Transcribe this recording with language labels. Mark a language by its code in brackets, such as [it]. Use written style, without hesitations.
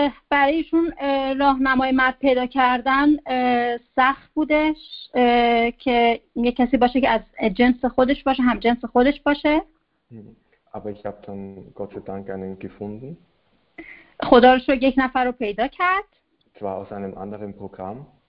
[fa] برایشون راهنمای مرد پیدا کردن سخت بودش که یک کسی باشه که از جنس خودش باشه هم جنس خودش باشه [de] Aber ich habe dann Gott sei Dank einen gefunden. [fa] خدا رو شکر یک نفر رو پیدا کرد [de] Zwar aus einem anderen Programm.